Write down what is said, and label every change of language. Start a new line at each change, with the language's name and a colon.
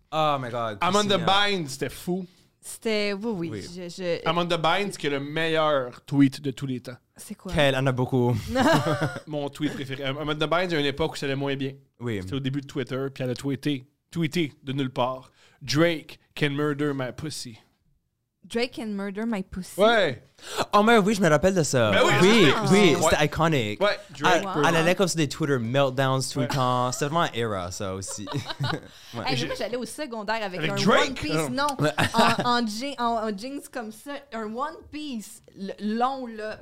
English: Oh my God.
French: Amanda Bynes, c'était fou. C'était... Oui, oui. Je... Amanda Bynes, qui est le meilleur tweet de tous les temps. C'est quoi? Quelle, en a beaucoup. Mon tweet préféré. Amanda Bynes, il y a une époque où ça allait moins bien. Oui. C'était au début de Twitter, puis elle a tweeté de nulle part.
English: Drake can murder my pussy. Drake can murder my pussy?
French: Ouais. Oh, mais oui, je me rappelle de ça. Mais oui, oui, ça, oui, oui, c'était iconique. Ouais, Drake. Wow. Elle allait comme sur des
English: Twitter meltdowns
French: tout le temps. C'était vraiment une era, ça aussi. Ouais. Hey, moi, j'allais au secondaire avec un Drake? One Piece. Non, en jeans comme ça. Un One Piece long, là.